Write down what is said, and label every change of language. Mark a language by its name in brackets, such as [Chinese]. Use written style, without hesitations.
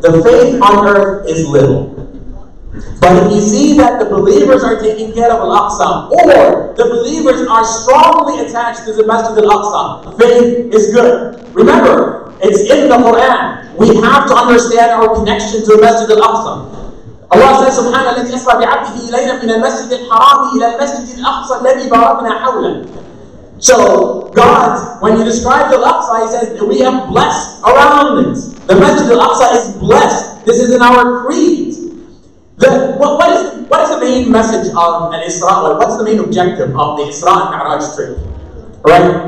[English] The faith on earth is little. But if you see that the believers are taking care of Al-Aqsa, or the believers are strongly attached to the Masjid Al-Aqsa, faith is good. Remember, it's in the Quran. We have to understand our connection to the Masjid Al-Aqsa. Allah says, [Arabic] سُبْحَانَ الَّذِي أَسْرَى بِعَبْدِهِ إِلَيْنَا مِنَ الْمَسْجِدِ الْحَرَامِ إِلَى الْمَسْجِدِ الْأَقْصَى الَّذِي بَارَكْنَا حَوْلَهُ. [English] So God, when He describes Al-Aqsa, He says that we have blessed around it. The Masjid Al-Aqsa is blessed. This is in our creed. What is the main message of an Isra? What's the main objective of the Isra and Mi'raj trip? Right?